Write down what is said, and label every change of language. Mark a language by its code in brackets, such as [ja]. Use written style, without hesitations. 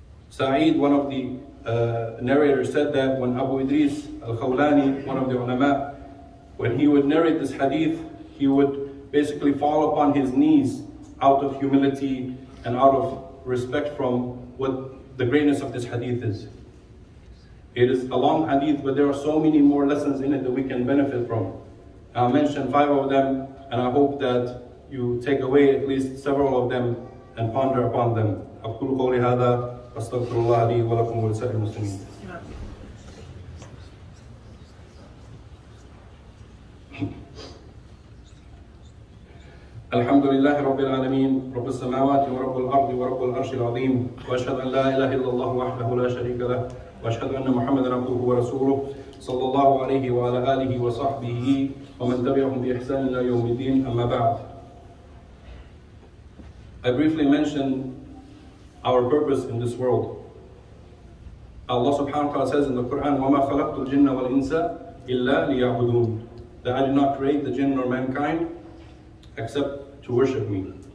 [en] Sa'id, one of the narrator said that when Abu Idris al-Khawlani, one of the ulama, when he would narrate this hadith, he would basically fall upon his knees out of humility and out of respect from what the greatness of this hadith is. It is a long hadith, but there are so many more lessons in it that we can benefit from. I'll mention five of them, and I hope that you take away at least several of them and ponder upon them. [ar] أقول قولي هذا أستغفر الله لي ولكم ولسائر المسلمين. الحمد لله رب العالمين رب السماوات ورب الأرض ورب العرش العظيم وأشهد أن لا إله إلا الله وحده لا شريك له وأشهد أن محمد عبده ورسوله صلى الله عليه وعلى آله وصحبه ومن تبعهم بإحسان إلى يوم الدين أما بعد. [en] I briefly mentioned our purpose in this world. Allah subhanahu wa ta'ala says in the Quran, [ar] وَمَا خَلَقْتُ الْجِنَّ وَالْإِنسَ إِلَّا لِيَعْبُدُونَ, [en] that I did not create the jinn or mankind except to worship me.